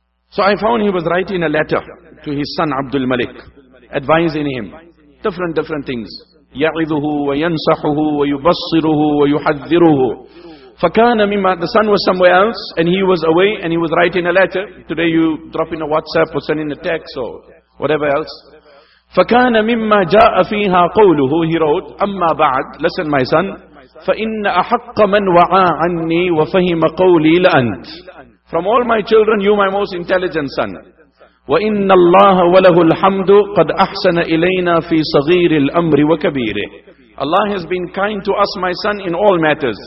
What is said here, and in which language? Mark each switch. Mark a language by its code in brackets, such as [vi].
[en] So I found he was writing a letter to his son Abdul Malik, advising him different things. [ar] يَعِذُهُ وَيَنْصَحُهُ وَيُبَصِّرُهُ وَيُحَذِّرُهُ فَكَانَ مِمَّا [en] The son was somewhere else and he was away and he was writing a letter. Today you drop in a WhatsApp or send in a text or whatever else. [ar] فَكَانَ مِمَّا جَاءَ فِيهَا قَوْلُهُ [en] He wrote, [ar] أَمَّا بَعْد [en] Listen my son. [ar] فَإِنَّ أَحَقَّ مَنْ وَعَى عَنِّي وَفَهِمَ قَوْلِي لَأَنْت [en] From all my children, you my most intelligent son. [ar] وَإِنَّ اللَّهَ وَلَهُ الْحَمْدُ قَدْ أَحْسَنَ إِلَيْنَا فِي صَغِيرِ الْأَمْرِ وَكَبِيرِهِ [en] Allah has been kind to us, my son, in all matters.